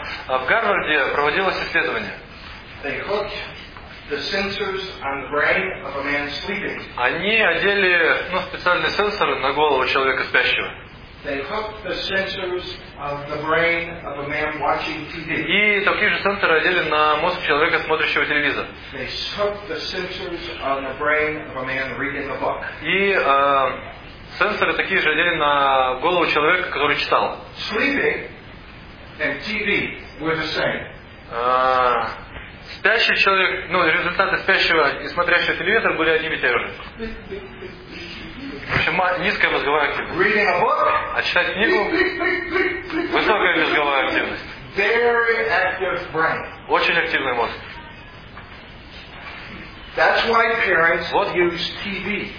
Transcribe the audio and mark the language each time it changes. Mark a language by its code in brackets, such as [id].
[ru] В Гарварде проводилось исследование. [en] They hooked the sensors on the brain of a man sleeping. [ru] Они одели специальные сенсоры на голову человека спящего. [en] They hooked the sensors of the brain of a man watching TV. [ru] И такие же сенсоры одели на мозг человека, смотрящего телевизор. [en] They hooked the sensors on the brain of a man reading a book. [ru] И сенсоры такие же одели на голову человека, который читал. [en] Sleeping and TV were the same. [ru] Спящий человек, ну, результаты спящего и смотрящего телевизор были одними и теми же. В общем, низкая мозговая активность. А читать книгу – высокая мозговая активность. Очень активный мозг. [en] That's why parents вот use TV.